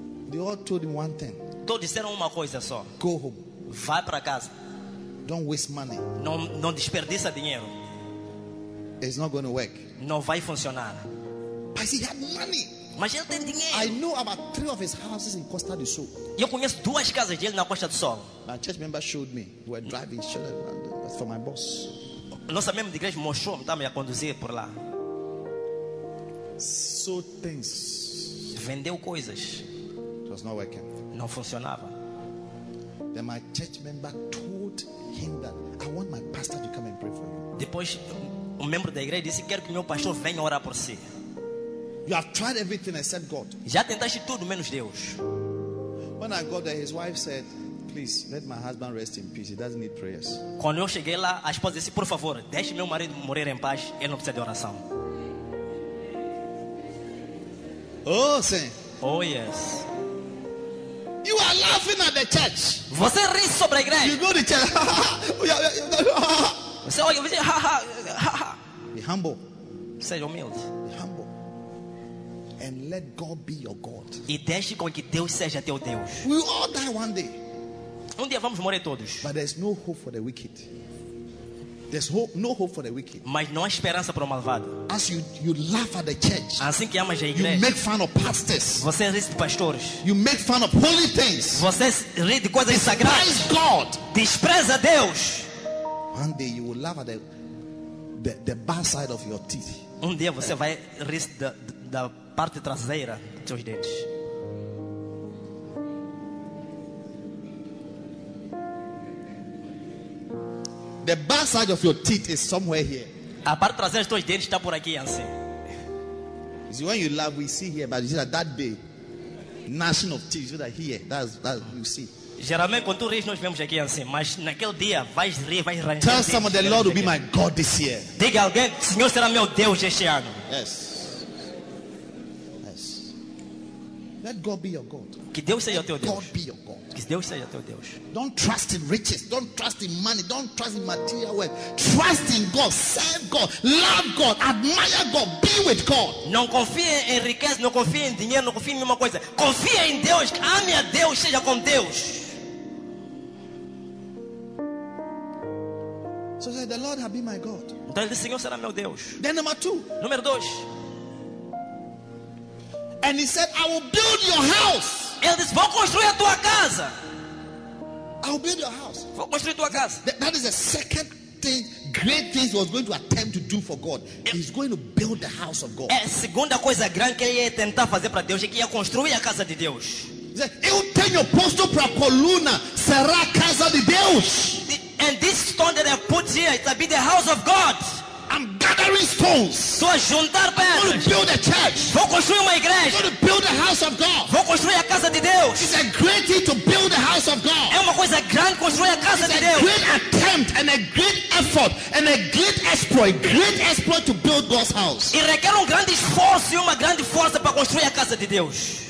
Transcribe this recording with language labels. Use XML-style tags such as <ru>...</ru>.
<en>They all told him one thing.</en> <pt>Todos disseram uma coisa só.</pt> <en>Go home.</en> <pt>Vai para casa.</pt> <en>Don't waste money.</en> <pt>Não desperdiça dinheiro.</pt> <en>It's not going to work.</en> <pt>Não vai funcionar.</pt> <en>But he had money.</en> <pt>Mas ele tem dinheiro.</pt> <en>I know about 3 of his houses in Costa do Sul.</en> <pt>Eu conheço 2 casas dele na Costa do Sul.</pt> <en>My church member showed me. We were driving, showed me. That's for my boss.</en> <pt>Nossa mesma de igreja mostrou, estava a conduzir por lá.</pt> <en>So tense.</en> <pt>Vendeu coisas.</pt> <en>It was not working.</en> <pt>Não funcionava.</pt> <en>Then my church member told him that I want my pastor to come and pray for you.</en> <pt>Depois, um membro da igreja disse quero que meu pastor venha orar por si.</pt> <en>You have tried everything except God.</en> <pt>Já tentaste tudo menos Deus.</pt> <en>When I got there, his wife said, "Please let my husband rest in peace. He doesn't need prayers."</en> <pt>Quando eu cheguei lá, a esposa disse, "Por favor, deixe meu marido morrer em paz. Ele não precisa de oração." Oh, sim.</pt> <en>Oh, yes. You are laughing at the church.</en> <pt>Você ri sobre a igreja.</pt> <en>You go to church.</en> <pt>Você olha, você ha ha.</pt> <en>Be humble.</en> <pt>Seja humilde.</pt> <en>And let God be your God.</en> <pt>E deixe com que Deus seja teu Deus.</pt> <en>We all die one day.</en> <pt>Um dia vamos morrer todos.</pt> <en>But there's no hope for the wicked. There's hope, no hope for the wicked.</en> <pt>Mas não há esperança para o malvado.</pt> <en>As you laugh at the church.</en> <pt>Assim que amas a igreja.</pt> <en>You make fun of pastors.</en> <pt>Você ri de pastores.</pt> <en>You make fun of holy things.</en> <pt>Você ri de coisas sagradas.</pt> <en>Despise God.</en> <pt>Despreza Deus.</pt> <en>One day you will laugh at the bad side of your teeth.</en> <pt>Um dia você vai rir da parte traseira dos seus dentes.</pt> <en>The back side of your teeth is somewhere here.</en> <pt>A parte traseira dos seus dentes está por aqui, assim.</pt> <en>You see, when you laugh, we see here, but you see that day, gnashing of teeth, you see that here, that's you see.</en> <pt>Geralmente, quando tu ris, nós vemos aqui, assim, mas naquele dia, vais rir, vais ranger.</pt> <en>Tell someone the Lord will be my God this year.</en> <pt>Diga alguém, o Senhor será meu Deus este ano.</pt> <en>Yes. Let God be your God.</en> <pt>Que Deus seja</pt> <en>Let</en> <pt>teu</pt> <en>God</en> <pt>Deus.</pt> <en>God be your God.</en> <pt>Que Deus seja teu Deus.</pt> <en>Don't trust in riches. Don't trust in money. Don't trust in material wealth. Trust in God. Serve God. Love God. Admire God. Be with God.</en> <pt>Não confie em riqueza. Não confie em dinheiro. Não confie em nenhuma coisa. Confie em Deus. Ame a Deus. Seja com Deus.</pt> <en>So say, the Lord have been my God.</en> <pt>Então o Senhor será meu Deus.</pt> <en>Then number 2.</en> <pt>Número 2.</pt> <en>And he said, I will build your house.</en> <pt>Ele disse, vou construir a tua casa.</pt> <en>I will build your house.</en> <pt>Vou construir tua casa.</pt> <en>That is the second thing, great thing he was going to attempt to do for God. He's going to build the house of God.</en> <pt>É a segunda coisa grande que ele ia tentar fazer para Deus, é que ia construir a casa de Deus. Eu tenho posto para a coluna, será a casa de Deus.</pt> <en>And this stone that I put here, it will be the house of God. I'm gathering stones.</en> <pt>Sou a juntar pedras.</pt> <en>I'm going to build a church.</en> <pt>Vou construir uma igreja.</pt> <en>I'm going to build the house of God.</en> <pt>Vou construir a casa de Deus.</pt> <en>It's a great thing to build the house of God.</en> <pt>É uma coisa grande construir a casa</pt> <en>it's</en> <pt>de</pt> <en>a</en> <pt>Deus.</pt> <en>Great attempt and a great effort and a great exploit to build God's house.</en> <pt>E requer um grande esforço e uma grande força para construir a casa de Deus.</pt>